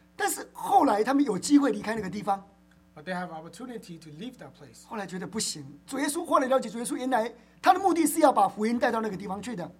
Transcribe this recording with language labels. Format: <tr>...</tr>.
<zh>但是后来他们有机会离开那个地方。</zh> <en>But they have opportunity to leave that place.</en> <zh>后来觉得不行，主耶稣后来了解主耶稣原来。他的目的是要把福音带到那个地方去的。</zh>